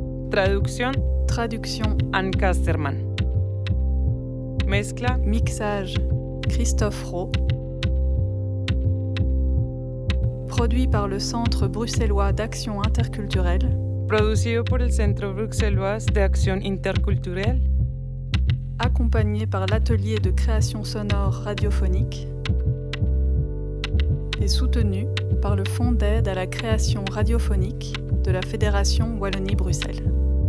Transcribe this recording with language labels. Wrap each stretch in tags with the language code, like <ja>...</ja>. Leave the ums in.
<es>traducción,</es> <fr>traduction,</fr> <es>Ann Casterman. Mezcla,</es> <fr>mixage, Christophe Rowe. Produit par le Centre bruxellois d'action interculturelle,</fr> <es>producido por el Centro Bruxelois de Acción Intercultural,</es> <fr>accompagné par l'atelier de création sonore radiophonique et soutenu par le Fonds d'aide à la création radiophonique de la Fédération Wallonie-Bruxelles.</fr>